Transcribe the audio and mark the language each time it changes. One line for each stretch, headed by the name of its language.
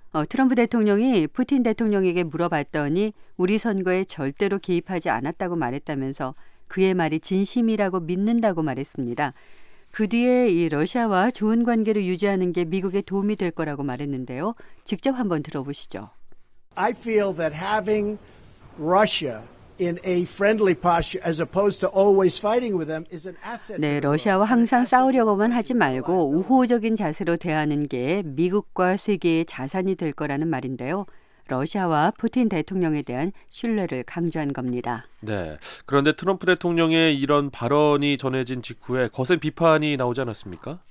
Korean: 트럼프 대통령이 푸틴 대통령에게 물어봤더니 우리 선거에 절대로 개입하지 않았다고 말했다면서 그의 말이 진심이라고 믿는다고 말했습니다. 그 뒤에 이 러시아와 좋은 관계를 유지하는 게 미국에 도움이 될 거라고 말했는데요. 직접 한번 들어보시죠.
English: I feel that having Russia in a friendly posture as opposed to always fighting with them is an asset.
Korean: 네, 러시아와 항상 싸우려고만 하지 말고 우호적인 자세로 대하는 게 미국과 세계의 자산이 될 거라는 말인데요. 러시아와 푸틴 대통령에 대한 신뢰를 강조한 겁니다. 네. 그런데 트럼프 대통령의 이런 발언이 전해진 직후에 거센 비판이 나오지 않았습니까?